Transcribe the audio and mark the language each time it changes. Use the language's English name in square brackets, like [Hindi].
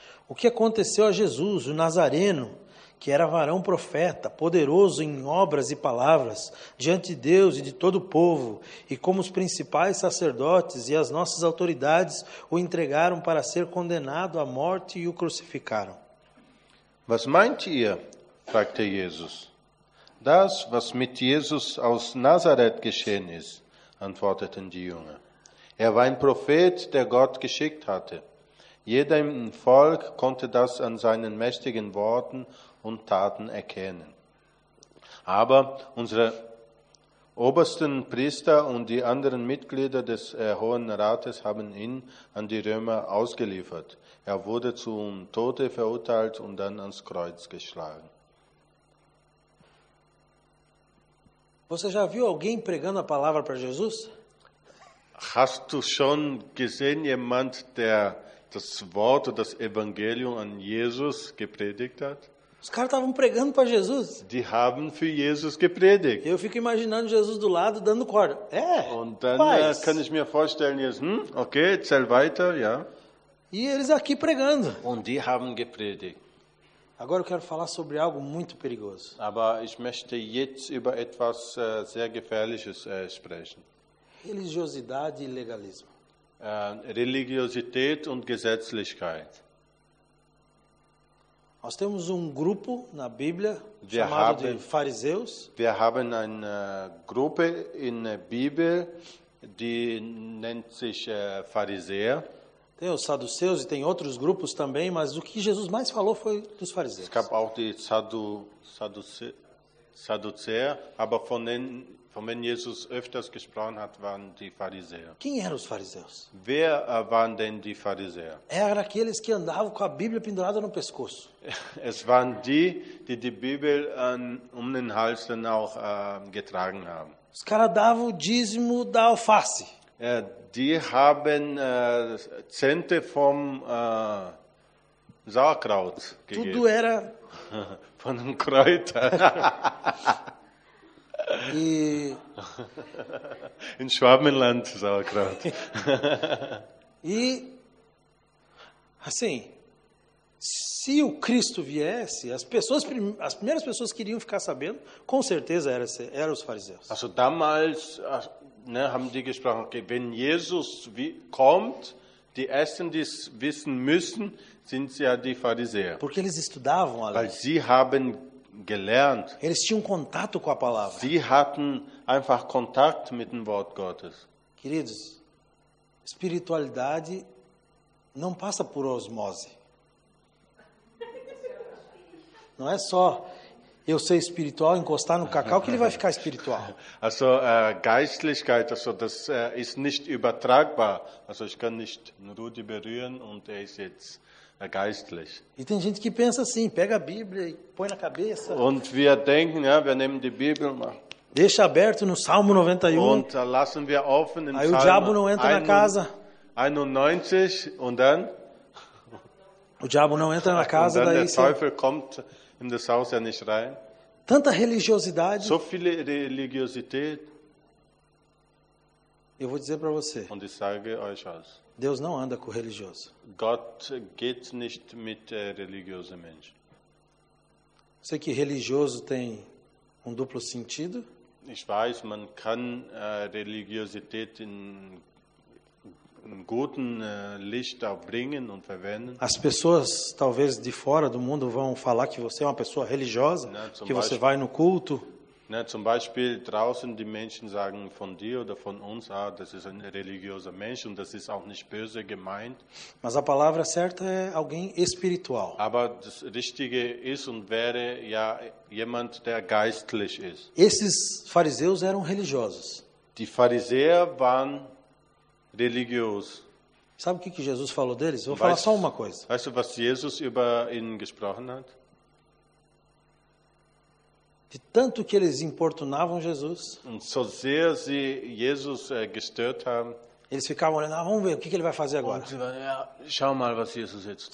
[Portuguese] O que aconteceu a Jesus, o Nazareno, que era varão profeta, poderoso em obras e palavras, diante de Deus e de todo o povo, e como os principais sacerdotes e as nossas autoridades o entregaram para ser condenado à morte e o crucificaram. [German] Was meint ihr? Fragte Jesus. Das, was mit Jesus aus Nazareth geschehen ist, antworteten die Jünger. Er war ein Prophet, der Gott geschickt hatte. Jeder im Volk konnte das an seinen mächtigen Worten und Taten erkennen. Aber unsere obersten Priester und die anderen Mitglieder des Hohen Rates haben ihn an die Römer ausgeliefert. Er wurde zum Tode verurteilt und dann ans Kreuz geschlagen. [Portuguese] Você já viu alguém pregando a palavra para Jesus? [German] Hast du schon gesehen jemand, der das Wort, das Evangelium an Jesus gepredigt hat? [Portuguese] Os caras estavam pregando para Jesus. [German] Die haben für Jesus gepredigt. [Portuguese] Eu fico imaginando Jesus do lado dando corda. É. [German] Und dann kann ich mir vorstellen, jetzt, okay, erzähl weiter, ja. [Portuguese] E eles aqui pregando. [German] Und die haben gepredigt. [Portuguese] Agora eu quero falar sobre algo muito perigoso. [German] Aber ich möchte jetzt über etwas sehr Gefährliches sprechen. [Portuguese] Religiosidade e legalismo. [German] Religiosität und Gesetzlichkeit. [Portuguese] Nós temos grupo na Bíblia chamado de fariseus. [German] Wir haben eine Gruppe in der Bibel, die nennt sich Pharisäer. [Portuguese] Tem os saduceus e tem outros grupos também, mas o que Jesus mais falou foi dos fariseus. [German] Es gab auch die Sadduzäer, aber von denen Jesus öfters gesprochen hat, waren die Pharisäer. [Portuguese] Quem eram os fariseus? [German] Wer waren denn die Pharisäer? [Portuguese] Eram aqueles que andavam com a Bíblia pendurada no pescoço. [German] Es waren die Bibel den Hals dann auch getragen haben. [Portuguese] Os caras davam o dízimo da alface. [German] Die haben Zente vom Sauerkraut gegeben. [Portuguese] Tudo era [German] von einem Kräuter. In Schwabenland Sauerkraut. [Portuguese] E assim, se o Cristo viesse, as primeiras pessoas que iriam ficar sabendo, com certeza eram os fariseus. [German] Also damals haben die gesprochen, okay, wenn Jesus kommt, die Ersten, die es wissen müssen, sind ja die Pharisäer. [Portuguese] Porque eles estudavam a lei. [German] Weil sie haben gelernt. [Portuguese] Eles tinham contato com a palavra. [German] Sie hatten einfach Kontakt mit dem Wort Gottes. [Portuguese] Queridos, espiritualidade não passa por osmose. Não é só eu ser espiritual, encostar no cacau, que ele vai ficar espiritual. [German] Also, Geistlichkeit, also, das ist nicht übertragbar. Also, ich kann nicht Rudi berühren und er ist jetzt geistlich. [Portuguese] E tem gente que pensa assim, pega a Bíblia e põe na cabeça. [German] Und wir denken, ja, wir nehmen die Bibel. [Portuguese] Deixa aberto no Salmo 91. [German] Und lassen wir offen im Salmo. [Portuguese] Aí o diabo não entra na casa. [German] 91, und dann? [Portuguese] O diabo não entra na casa, daí [German] der Teufel kommt in das Haus ja nicht rein. [Portuguese] Tanta religiosidade. [German] So viele Religiosität. [Portuguese] Eu vou dizer para você. [German] Und ich sage euch was. [Portuguese] Deus não anda com religioso. [German] Gott geht nicht mit religiösen Menschen. [Portuguese] Sei que religioso tem duplo sentido. [German] Ich weiß, man kann Religiosität in guten Licht auch bringen und verwenden. [Portuguese] As pessoas talvez de fora do mundo vão falar que você é uma pessoa religiosa, que você vai no culto. [German] Zum Beispiel draußen die Menschen sagen von dir oder von uns, ah, das ist ein religiöser Mensch und das ist auch nicht böse gemeint. [Portuguese] Mas a palavra certa é alguém espiritual. [German] Aber das Richtige ist und wäre ja jemand, der geistlich ist. [Portuguese] Esses fariseus eram religiosos. [German] Die Pharisäer waren religioso. [Portuguese] Sabe o que Jesus falou deles? Vou falar só uma coisa. [German] Weißt du, was Jesus über ihn gesprochen hat? [Portuguese] De tanto que eles importunavam Jesus. [German] Und so sehr sie Jesus gestört haben. [Portuguese] Eles ficavam olhando, ah, vamos ver o que ele vai fazer agora. [German] Und, schau mal, was Jesus jetzt tut.